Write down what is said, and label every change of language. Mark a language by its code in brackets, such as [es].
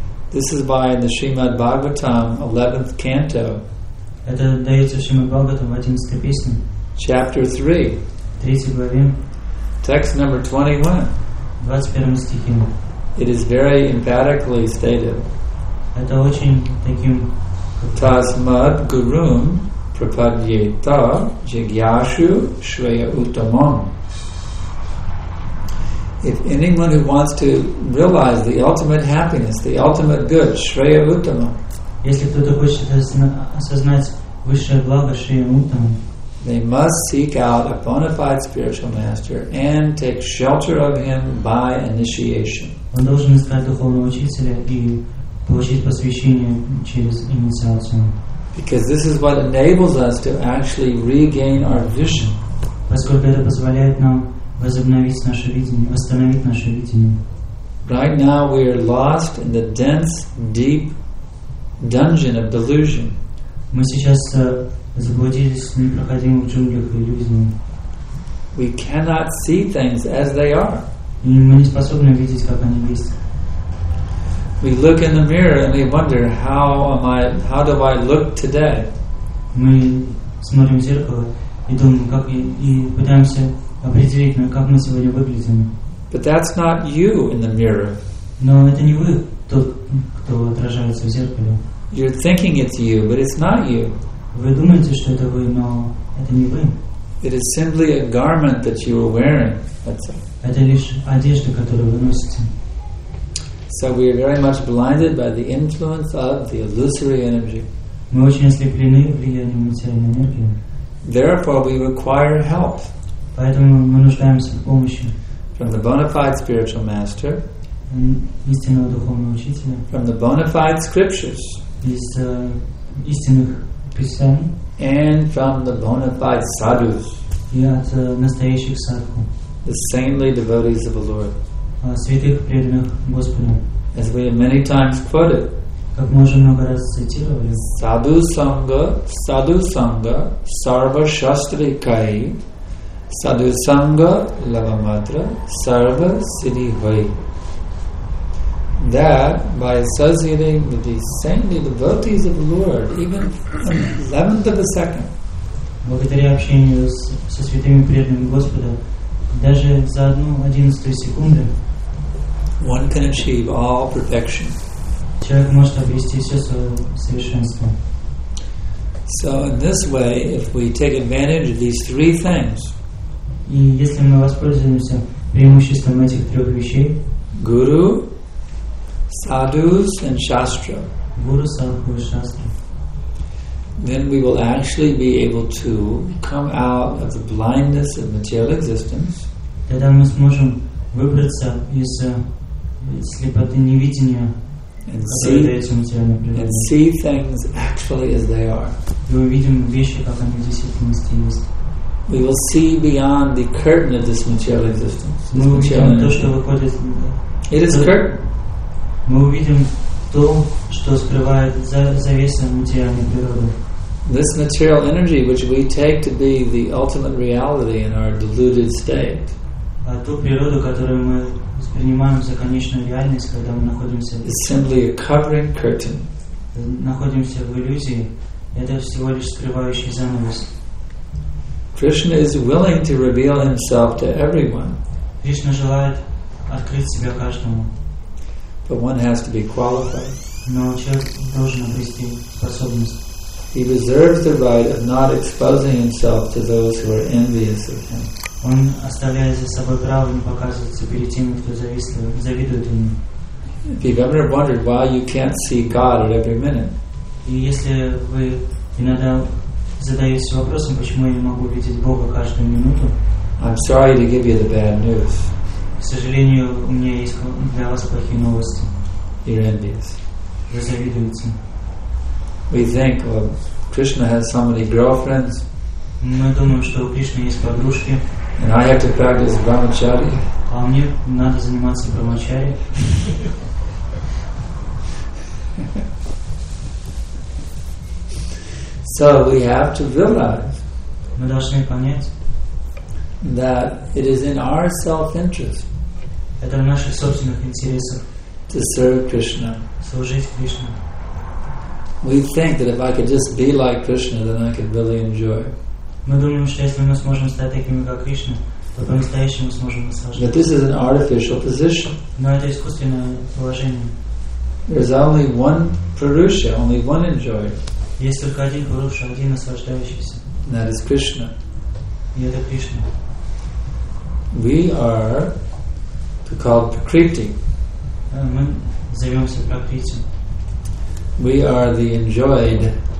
[en] This is by the Srimad Bhagavatam, 11th canto. [ru] Это дается в Шримад Бхагаватам в 11-й песне. [en] Chapter 3. [ru] 3 главе. [en] Text number 21. [ru] 21 стихе. [en] It is very emphatically stated. [ru] Это очень таким. [sa] Tasmad gurum prapadyeta jigyashu shreya utamam. [en] If anyone who wants to realize the ultimate happiness, the ultimate good, Shreya Uttama, [ru] если кто-то хочет осознать высшее благо, Shreya Uttama, [en] they must seek out a bona fide spiritual master and take shelter of him by initiation. [ru] Он должен искать духовного учителя и получить посвящение через инициацию. [en] Because this is what enables us to actually regain our vision. [ru] Поскольку это позволяет нам возобновить наше видение, восстановить наше видение. [en] Right now we are lost in the dense, deep dungeon of delusion. [ru] Мы сейчас заблудились в непроходимых джунглях иллюзий. [en] We cannot see things as they are. [ru] И мы не способны видеть, как они есть. [en] We look in the mirror and we wonder, how do I look today? [ru] Мы смотрим в зеркало и думаем, как и пытаемся определить, как мы сегодня выглядим. [en] But that's not you in the mirror. [ru] Но это не вы, тот, кто отражается в зеркале. [en] You're thinking it's you, but it's not you. [ru] Вы думаете, что это вы, но это не вы. [en] It is simply a garment that you are wearing. That's it. [ru] Это лишь одежда, которую вы носите. [en] So we are very much blinded by the influence of the illusory energy. [ru] Мы очень ослеплены влиянием материальной энергии. [en] Therefore, we require help. [ru] Поэтому мы нуждаемся в помощи. [en] From the bona fide spiritual master. [ru] Истинного духовного учителя. [en] From the bona fide scriptures. [ru] Из истинных писаний. [en] And from the bona fide sadhus. [ru] И от настоящих садху. [en] The saintly devotees of the Lord. [ru] Святых преданных Господу. [en] As we have many times quoted. [ru] Как мы уже много раз цитировали. Sadhu sangha sarva shastri kai. [bn] Sadhu sangha lava matra sarva siddhi hoy. [en] That by associating with the saintly devotees of the Lord, even an 11th of a second. [ru] Благодаря общению со святыми преданными Господа, даже за одну 11-ю секунду, [en] one can achieve all perfection. [ru] Человек может обрести все свое совершенство. [en] So in this way, if we take advantage of these three things, [ru] и если мы воспользуемся преимуществом этих трех вещей, [en] Guru, Sadhus, and Shastra, Guru, Sadhu, Shastra, then we will actually be able to come out of the blindness of material existence. [ru] Тогда мы сможем выбраться из слепоты невидения, [en] and see things actually as they are. [ru] И увидим вещи, как они в действительности есть. [en] We will see beyond the curtain of this material existence. [ru] Мы увидим то, что выходит [en] It is occurred. [ru] Мы увидим то, что скрывает завеса материальной природы. [en] This material energy, which we take to be the ultimate reality in our deluded state. [ru] А ту природу, которую мы воспринимаем за конечную реальность, когда мы находимся в. [en] It's simply a covering curtain. [ru] Находимся в иллюзии. Это всего лишь скрывающий занавес. [en] Krishna is willing to reveal himself to everyone. [ru] Кришна желает открыть себя каждому. [en] But one has to be qualified. [ru] Но человек должен обрести способность. [en] He reserves the right of not exposing himself to those who are envious of him. [ru] Он оставляет за собой право не показываться перед теми, кто завидует ему. [en] If you've ever wondered why you can't see God at every minute. [ru] И если вы иногда задаетесь вопросом, почему я не могу видеть Бога каждую минуту, [en] I'm sorry to give you the bad news. [ru] К сожалению, у меня есть для вас плохие новости. [en] You're envious. [ru] Вы завидуете. [en] We think, well, Krishna has so many girlfriends. [ru] Мы думаем, что у Кришны есть подружки. [en] And I have to practice brahmachari. [ru] А мне надо заниматься брахмачари. [en] So we have to realize. [ru] Мы должны понять. [en] That it is in our self-interest. [ru] Это в наших собственных интересах. [en] To serve Krishna. [ru] Служить Кришне. [en] We think that if I could just be like Krishna, then I could really enjoy. [ru] Мы думаем, что если мы сможем стать такими, как Кришна, то по-настоящему сможем наслаждаться. [en] But this is an artificial position. [ru] Но это искусственное положение. [en] There is only one Purusha, only one enjoyer. [ru] Есть только один Пуруша, один наслаждающийся. [en] And that is Krishna. [ru] И это Кришна. [en] We are to call Prakriti. [ru] Мы зовемся Пракрити. [en] We are the enjoyed.